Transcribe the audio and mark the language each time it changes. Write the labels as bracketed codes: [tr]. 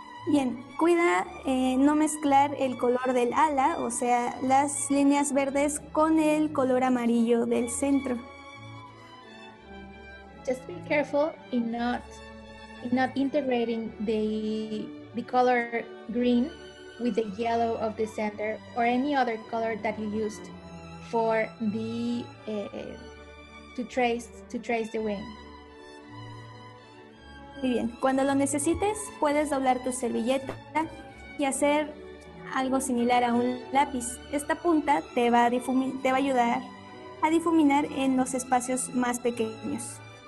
[es] Bien, cuida no mezclar el color del ala, o sea, las líneas verdes con el color amarillo del centro. [en] Just be careful in not integrating the color green with the yellow of the center or any other color that you used for the to trace the wing. [es] Muy bien, cuando lo necesites puedes doblar tu servilleta y hacer algo similar a un lápiz. Esta punta te va a ayudar a difuminar en los espacios más pequeños.